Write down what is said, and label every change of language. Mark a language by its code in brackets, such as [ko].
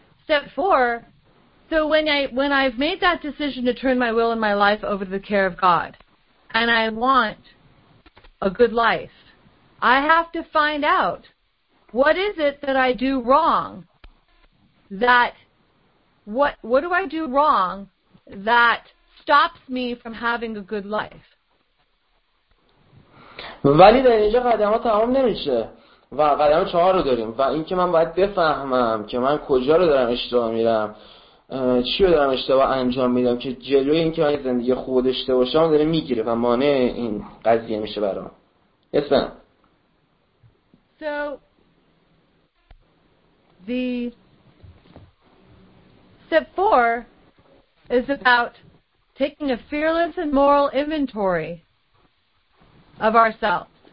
[en] Step four, so when I've made that decision to turn my will and my life over to the care of God, and I want a good life, I have to find out what is it that I do wrong that, what do I do wrong that stops me from having a good life? [fa] ولی در اینجا قدم ها تمام نمیشه. و قدم چهار رو داریم و این که من باید بفهمم که من کجا رو دارم اشتباه میرم، چی رو دارم اشتباه انجام میدم که جلوی این که من زندگی خوب داشته باشم داره میگیره و مانع این قضیه میشه برام. [en] Yes, ma'am. So the step four is about taking a fearless and moral inventory of ourselves.